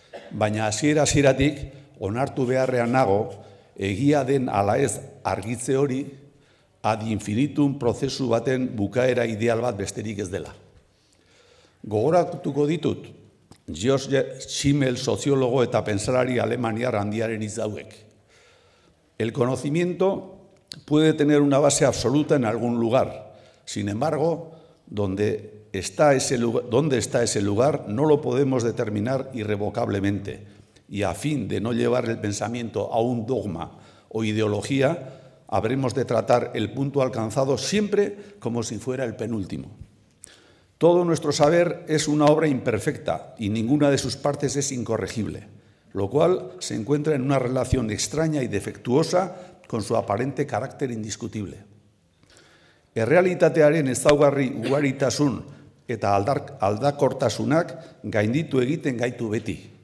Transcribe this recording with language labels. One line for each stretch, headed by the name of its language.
Basque: Baina hasiera-hasieratik onartu beharrean nago, egia den ala ez argitze hori, ad infinitum prozesu baten bukaera ideal bat besterik ez dela. Gogoratuko ditut, George Simmel soziologo eta pensalari alemaniar handiaren izauek.
Spanish: El conocimiento puede tener una base absoluta en algún lugar, sin embargo, donde está ese lugar no lo podemos determinar irrevocablemente, y a fin de no llevar el pensamiento a un dogma o ideología, habremos de tratar el punto alcanzado siempre como si fuera el penúltimo. Todo nuestro saber es una obra imperfecta y ninguna de sus partes es incorregible, lo cual se encuentra en una relación extraña y defectuosa con su aparente carácter indiscutible.
Basque: Errealitatearen ezaugarri ugaritasun eta aldakortasunak gainditu egiten gaitu beti.